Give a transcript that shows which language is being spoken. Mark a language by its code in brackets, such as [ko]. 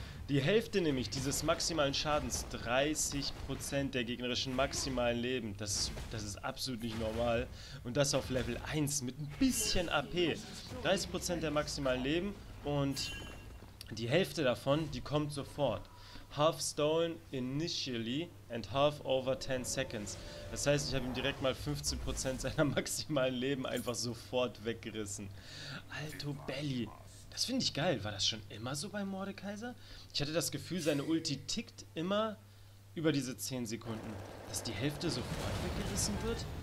[de] Die Hälfte nämlich dieses maximalen Schadens. 30% der gegnerischen maximalen Leben. Das ist absolut nicht normal. Und das auf Level 1 mit ein bisschen AP. 30% der maximalen Leben. Und die Hälfte davon, die kommt sofort. [en] Half stolen initially and half over 10 seconds. [de] Das heißt, ich habe ihm direkt mal 15% seiner maximalen Leben einfach sofort weggerissen. Alto Belli. Das finde ich geil. War das schon immer so bei Mordekaiser? Ich hatte das Gefühl, seine Ulti tickt immer über diese 10 Sekunden. Dass die Hälfte sofort weggerissen wird?